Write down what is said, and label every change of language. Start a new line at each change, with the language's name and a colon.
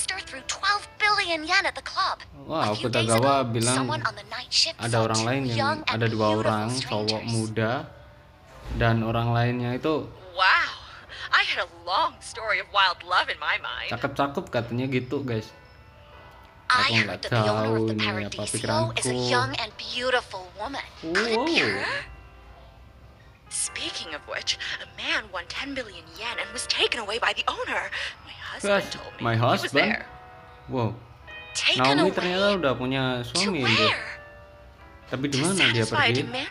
English: Threw 12 billion yen at the club.
Indonesian: Wow, Kutagawa bilang ada orang lain yang ada dua orang cowok muda dan orang lainnya itu.
English: Wow, I had a long story of wild love in my mind.
Indonesian: Cakep-cakep katanya gitu guys. Aku nggak tahu nih apa pikiranku. Wow.
English: Speaking of which, a man won 10 billion yen and was taken away by the owner. My husband. Wow.
Indonesian: Naomi ternyata udah punya suami itu. Tapi di mana dia pergi?